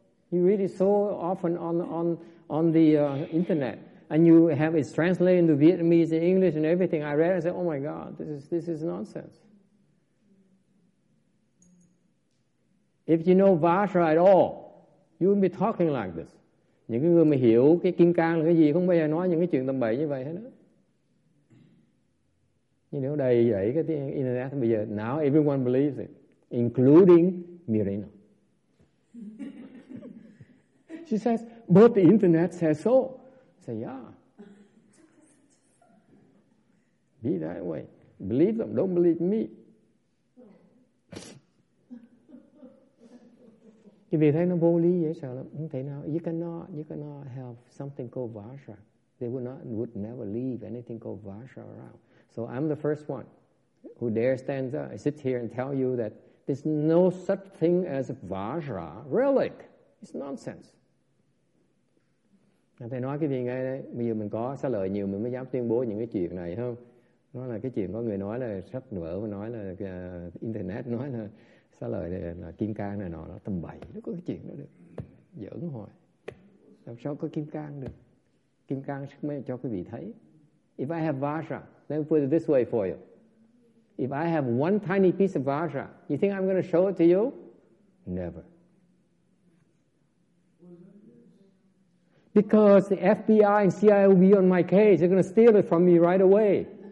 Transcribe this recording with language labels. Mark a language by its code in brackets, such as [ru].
[en] You read it so often on the internet. And you have it translated into Vietnamese and English and everything. I read it and said, oh my God, this is nonsense. If you know Vajra at all, you wouldn't be talking like this. [vi] Những người mà hiểu cái kim cang là cái gì không bao giờ nói những cái chuyện tầm bậy như vậy hết á. Nhưng nếu đầy dậy cái tiếng internet bây giờ, [en] now everyone believes it, including Mirina. [vi] She says, but the internet says so. I say, yeah. Be that way. Believe them, don't believe me. Cái việc thấy nó vô lý dễ sợ lắm. Không thể nào. [en] You cannot have something called Vajra. They would never leave anything called Vajra around. So I'm the first one who dare stand up, sit here and tell you that there's no such thing as a Vajra relic. It's nonsense. [vi] Thầy nói cái gì ngay đấy. Bây giờ mình có xá lợi nhiều mình mới dám tuyên bố những cái chuyện này không? Nó là cái chuyện có người nói là sách vở mà nói là internet nói là xá lợi này là kim cang này nọ, nó tầm bậy, nó có cái chuyện đó được. Giỡn hoài. Làm sao có kim cang được? Kim cang mới cho quý vị thấy. [en] If I have Vajra, let me put it this way for you. If I have one tiny piece of Vajra, you think I'm going to show it to you? Never. Because the FBI and CIA will be on my case. They're going to steal it from me right away.